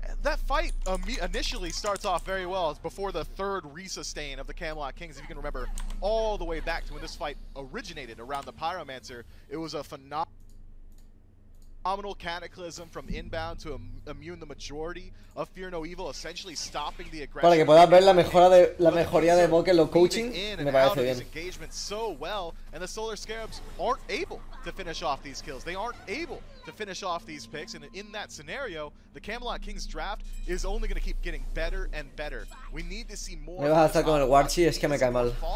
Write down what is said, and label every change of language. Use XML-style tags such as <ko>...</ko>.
<en>That fight initially starts off very well before the third resustain of the Camelot Kings. If you can remember all the way back to when this fight originated around the Pyromancer, it was a phenomenal. Ominal Cataclysm from inbound to immune the majority of Fear No Evil, essentially stopping the aggression.</en> <es>Para que puedas ver la mejora de la mejoría de Boke lo coaching, me parece bien.</es> <en>Engagement so well, and the Solar Scarabs aren't able to finish off these kills. They aren't able to finish off these picks, and in that scenario, the Camelot Kings draft is only going to keep getting better and better. We need to see more.</en> <es>Me vas a estar con el Warchi, es que me cae mal.</es>